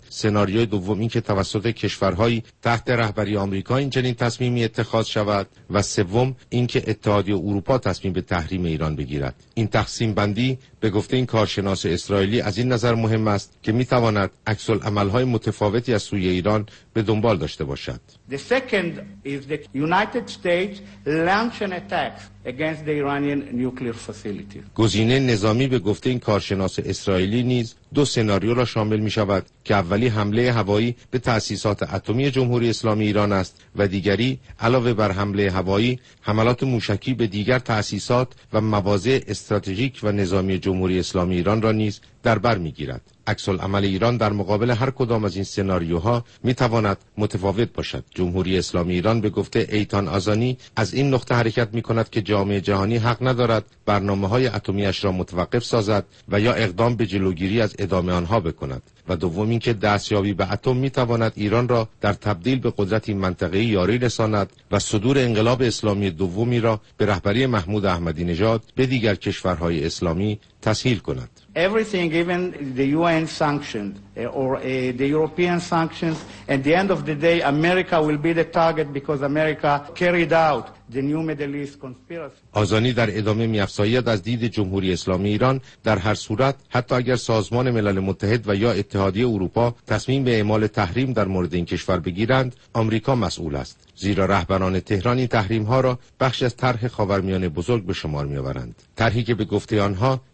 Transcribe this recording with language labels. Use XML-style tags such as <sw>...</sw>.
<fa>سناریوی دوم اینکه توسط کشورهایی تحت رهبری آمریکا این چنین تصمیمی اتخاذ شود و سوم اینکه اتحادیه اروپا تصمیم به تحریم ایران بگیرد. این تقسیم بندی به گفته این کارشناس اسرائیلی از این نظر مهم است که می تواند عکس العمل های متفاوتی از سوی ایران به دنبال داشته باشد.</fa> <en>The second is that United States launch an attack against the Iranian nuclear facility.</en> <fa>گزینه نظامی به گفته این کارشناس اسرائیلی نیز 2 سناریو را شامل می شود که اولی حمله هوایی به تأسیسات اتمی جمهوری اسلامی ایران است و دیگری علاوه بر حمله هوایی حملات موشکی به دیگر تأسیسات و مواضع استراتژیک و نظامی جمهوری اسلامی ایران را نیز در بر می گیرد. عکس العمل ایران در مقابل هر کدام از این سناریوها می تواند متفاوت باشد. جمهوری اسلامی ایران به گفته ایتان آزانی از این نقطه حرکت می کند که جامعه جهانی حق ندارد برنامه های اتمی اش را متوقف سازد و یا اقدام به جلوگیری از ادامه آنها بکند و دوم این که دستیابی به اتم می تواند ایران را در تبدیل به قدرتی منطقه‌ای یاری رساند و صدور انقلاب اسلامی دومی را به رهبری محمود احمدی نژاد به دیگر کشورهای اسلامی تسهیل کند.</fa> <en>Everything, even the UN sanctions or the European sanctions, at the end of the day, America will be the target because America carried out the new Middle East conspiracy.</en> <fa>آزانی در ادامه می‌افزاید از دید جمهوری اسلامی ایران در هر صورت حتی اگر سازمان ملل متحد و یا اتحادیه اروپا تصمیم به اعمال تحریم در مورد این کشور بگیرند، آمریکا مسئول است. زیرا رهبران تهران این تحریم‌ها را بخش از طرح خاورمیانه بزرگ به شمار می‌آورند. طرحی که به گفته آنها</fa>